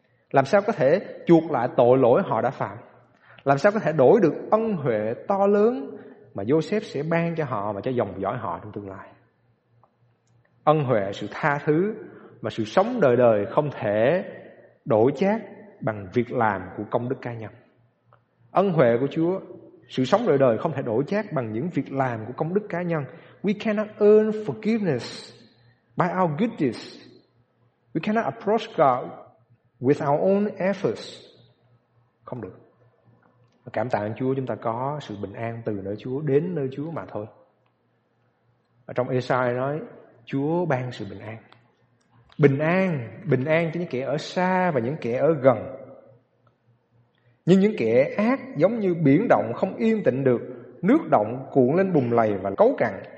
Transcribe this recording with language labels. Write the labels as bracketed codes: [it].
[vi] Làm sao có thể chuộc lại tội lỗi họ đã phạm? Làm sao có thể đổi được ân huệ to lớn mà Joseph sẽ ban cho họ và cho dòng dõi họ trong tương lai? Ân huệ, sự tha thứ và sự sống đời đời không thể đổi chác bằng việc làm của công đức cá nhân. Ân huệ của Chúa, sự sống đời đời không thể đổi chác bằng những việc làm của công đức cá nhân. [en] We cannot earn forgiveness by our good deeds. We cannot approach God with our own efforts. [vi] Không được. Cảm tạ Chúa, chúng ta có sự bình an từ nơi Chúa, đến nơi Chúa mà thôi. Ở trong Esai nói, Chúa ban sự bình an. Bình an cho những kẻ ở xa và những kẻ ở gần. Nhưng những kẻ ác giống như biển động không yên tĩnh được, nước động cuộn lên bùng lầy và cấu cằn.